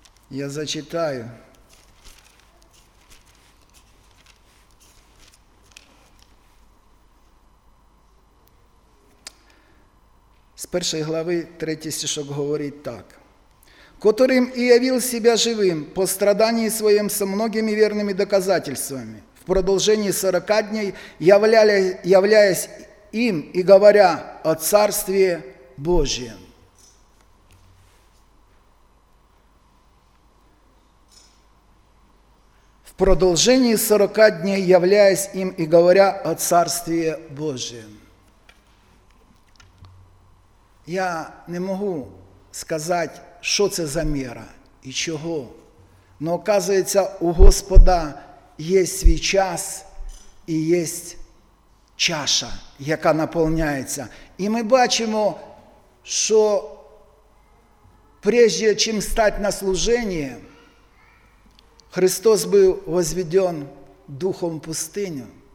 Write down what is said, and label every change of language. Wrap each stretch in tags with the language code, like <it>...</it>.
<ru>Я зачитаю.</ru> <uk>З першої глави, третій стишок говорить так.</uk> <ru>«Которим і явил себя живим по страданні своєму со многими верними доказательствами, в продолжении 40 дней, являясь им и говоря о Царстві Божьем». В продолжении 40 дней, являясь им и говоря о Царстві Божьем.</ru> <uk>Я не можу сказати, що це за міра і чого. Но, оказується, у Господа є свій час і є чаша, яка наповняється. І ми бачимо, що прежде, ніж стати на служенні, Христос був возведен духом в пустиню.</uk>